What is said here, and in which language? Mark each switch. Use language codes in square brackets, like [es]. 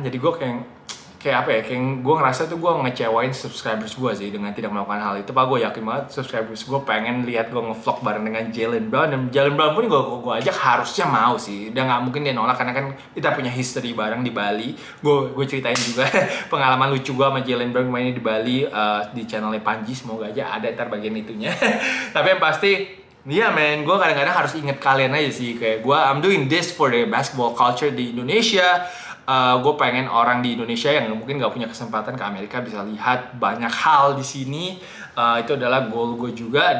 [id] Jadi gue kayak gue ngerasa tuh gue ngecewain subscribers gue sih dengan tidak melakukan hal itu. Pak, gue yakin banget subscribers gue pengen lihat gue nge-vlog bareng dengan Jaylen Brown. Dan Jaylen Brown pun gue ajak, harusnya mau sih. Udah gak mungkin dia nolak karena kan kita punya history bareng di Bali. Gue ceritain juga pengalaman lucu gue sama Jaylen Brown mainnya di Bali di channelnya Panji. Semoga aja ada ntar bagian itunya. Tapi yang pasti, iya men, gue kadang-kadang harus inget kalian aja sih. Kayak gue, [en] I'm doing this for the basketball culture [id] di Indonesia. Gue pengen orang di Indonesia yang mungkin gak punya kesempatan ke Amerika bisa lihat banyak hal di sini. Itu adalah goal gue juga.